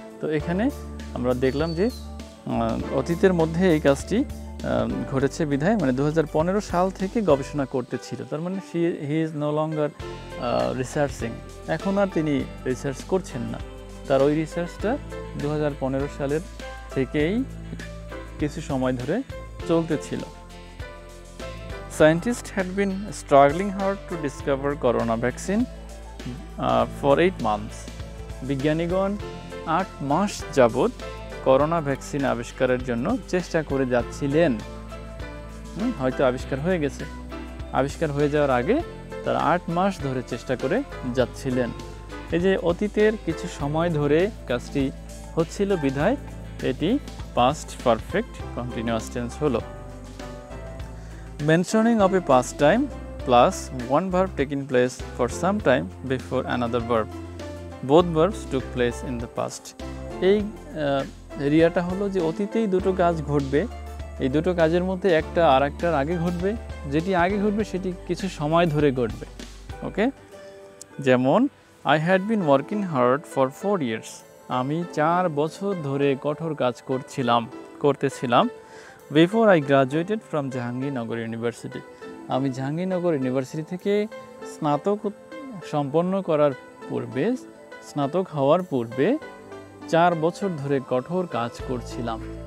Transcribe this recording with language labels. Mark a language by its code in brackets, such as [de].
[bn] তো এখানে আমরা দেখলাম যে অতীতের মধ্যে এই কাজটি ঘটেছে বিধায় মানে 2015 সাল থেকে গবেষণা করতেছিল, তার মানে [en] he is no longer researching, [bn] এখন আর তিনি রিসার্চ করছেন না, তার ওই রিসার্চটা 2015 সালের থেকেই কিছু সময় ধরে চলতেছিল। [en] Scientists had been struggling hard to discover corona vaccine for 8 months. [bn] বিজ্ঞানীগণ 8 মাস যাবত করোনা ভ্যাকসিন আবিষ্কারের জন্য চেষ্টা করে যাচ্ছিলেন। হয়তো আবিষ্কার হয়ে গেছে, আবিষ্কার হয়ে যাওয়ার আগে তারা 8 মাস ধরে চেষ্টা করে যাচ্ছিলেন। এই যে অতীতের কিছু সময় ধরে কাজটি হচ্ছিল বিধায় এটি পাস্ট পারফেক্ট কন্টিনিউয়াস টেন্স হলো। [en] Mentioning of a past time plus one verb taking place for some time before another verb. Both verbs took place in the past. [bn] এই এরিয়াটা হলো যে অতীতেই দুটো কাজ ঘটবে, এই দুটো কাজের মধ্যে একটা আর একটার আগে ঘটবে, যেটি আগে ঘটবে সেটি কিছু সময় ধরে ঘটবে। [en] Okay, যেমন I had been working hard for 4 years. [bn] আমি 4 বছর ধরে কঠোর কাজ করতেছিলাম [en] Before I graduated from Jahangirnagar university. [bn] আমি জাহাঙ্গীরনগর ইউনিভার্সিটি থেকে স্নাতক সম্পন্ন করার পূর্বে, স্নাতক হওয়ার পূর্বে 4 বছর ধরে কঠোর কাজ করছিলাম।